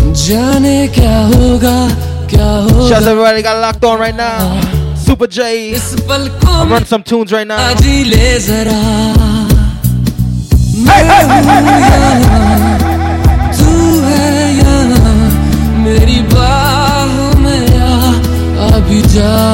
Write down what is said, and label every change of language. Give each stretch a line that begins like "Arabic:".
Hindi: जाने क्या होगा, क्या होगा।
English: Shout out everybody got locked on right now. Super J.
Hindi: इस पल को
English: I'm running some tunes right now.
Hindi: आजी ले जरा। Hey, hey, hey, hey, hey, hey, hey. तू है यहाँ मेरी बाहों में आ अभी जा।